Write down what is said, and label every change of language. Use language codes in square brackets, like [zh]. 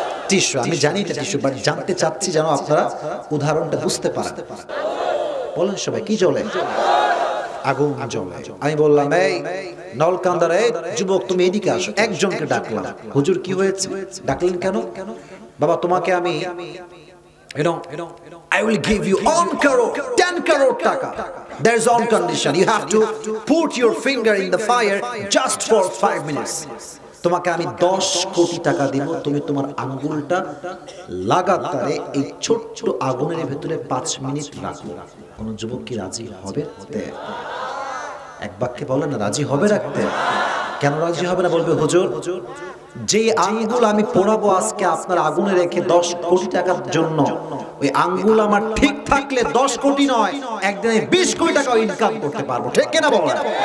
[bn] টিশু আমি জানি এটা টিশু বাট জানতে চাচ্ছি যেন আপনারা উদাহরণটা বুঝতে পারেন বলেন সবাই কি জ্বলে আগুন জ্বলে আমি বললাম এই নলকান্দার এই যুবক তুমি এদিকে আসো একজনকে ডাকলাম হুজুর কি হয়েছে ডাকলেন কেন বাবা তোমাকে আমি [en] I will give you 10 crore taka. There is one condition. You have to put your finger in the fire just for 5 minutes. [bn] তোমাকে আমি 10 কোটি টাকা দিব, তুমি তোমার আঙ্গুলটা লাগাতারে এই ছোট্ট আগুনের ভেতরে 5 মিনিট রাখবে। কোন যুবক কি রাজি হবে? এক বাক্যে বলেন না, রাজি হবে রাখতে? কেন রাজি হবে না বলবে? হুজুর, যে আঙ্গুল আমি পোড়াবো আজকে আপনার আগুনে রেখে 10 কোটি টাকার জন্য, ওই আঙ্গুল আমার ঠিক থাকলে 10 কোটি নয়, একদিনে 20 কোটি টাকা ইনকাম করতে পারবো। ঠিক কিনা বলেন?